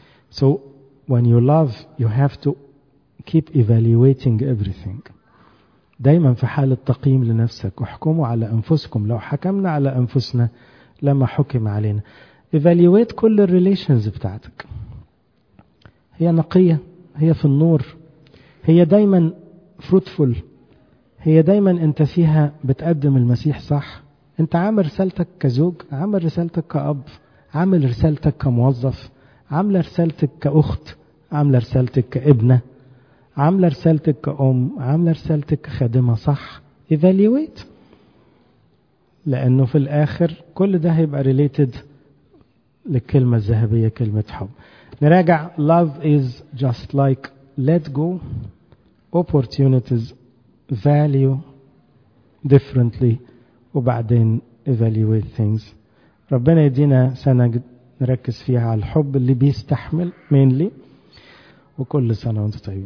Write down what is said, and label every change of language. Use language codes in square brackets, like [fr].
[en] So when you love you have to keep evaluating everything. [ar] دايما في حال التقييم لنفسك. احكموا على انفسكم. لو حكمنا على انفسنا لما حكم علينا. ايفاليويت كل الريليشنز بتاعتك. هي نقيه؟ هي في النور؟ هي دايما فروتفول؟ هي دايما انت فيها بتقدم المسيح صح؟ انت عامل رسالتك كزوج؟ عامل رسالتك كاب؟ عامل رسالتك كموظف؟ عامل رسالتك كاخت؟ عامل رسالتك كابنه؟ عامل رسالتك كأم؟ عامل رسالتك خادمة صح؟ إيفاليويت. لأنه في الآخر كل ده هيبقى ريليتد للكلمة الذهبية كلمة حب. نراجع. [en] Love is just like let go. Opportunities value differently. [ar] وبعدين [en] evaluate things. [ar] ربنا يدينا سنة نركز فيها على الحب اللي بيستحمل مينلي. وكل سنة وانت طيب.